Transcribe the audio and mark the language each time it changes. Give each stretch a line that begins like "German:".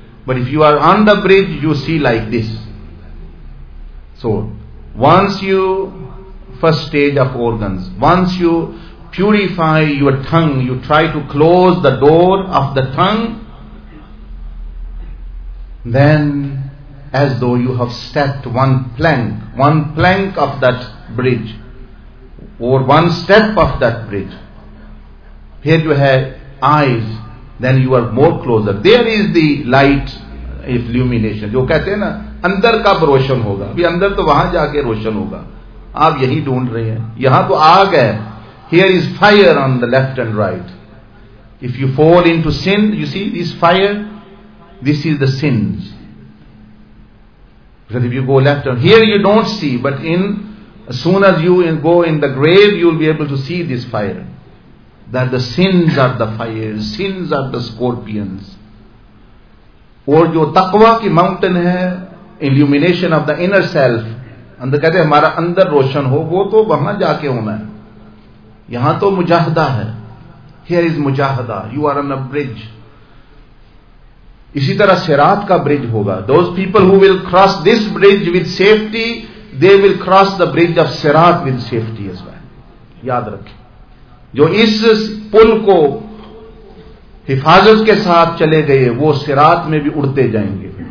English: But if you are on the bridge, you see like this. So, once you, first stage of organs, once you purify your tongue, you try to close the door of the tongue, then as though you have stepped one plank of that bridge, or one step of that bridge. Here you have eyes, then you are more closer. There is the light.
Urdu: Illumination, جو کہتے ہیں نا اندر کب روشن ہوگا, ابھی اندر تو وہاں جا کے روشن ہوگا, آپ یہی ڈھونڈ رہے ہیں, یہاں تو آگ ہے.
English: Here is fire on the left and right. If you fall into sin, you see this fire, this is the sins. But if you go left and here you don't see, but as soon as you go in the grave, you will be able to see this fire, that the sins are the fire, sins are the scorpions.
Urdu: اور جو تقوی کی mountain ہے,
English: illumination of the inner self,
Urdu: اندر کہتے ہیں ہمارا اندر روشن ہو, وہ تو وہاں جا کے ہونا ہے, یہاں تو مجاہدہ ہے.
English: Here is مجاہدہ, you are on a bridge.
Urdu: اسی طرح صراط کا bridge ہوگا.
English: Those people who will cross this bridge with safety, they will cross the bridge of صراط with safety as well.
Urdu: یاد رکھیں, جو اس پل کو حفاظت کے ساتھ چلے گئے وہ صراط میں بھی اڑتے جائیں گے.